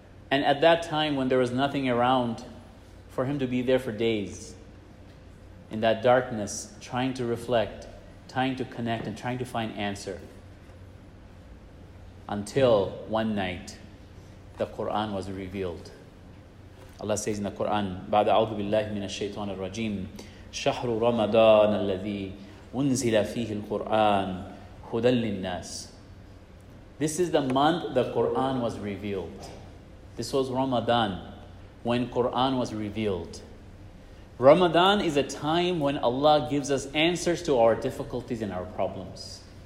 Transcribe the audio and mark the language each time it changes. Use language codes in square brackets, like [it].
[en] And at that time when there was nothing around for him to be there for days, in that darkness, trying to reflect, trying to connect and trying to find answer, until one night the Quran was revealed. Allah says in the Quran, [ar] بعد أعوذ بالله من الشيطان الرجيم شهر رمضان الذي أنزل فيه القرآن هدى للناس. [en] This is the month the Quran was revealed. This was Ramadan when Quran was revealed. Ramadan is a time when Allah gives us answers to our difficulties and our problems.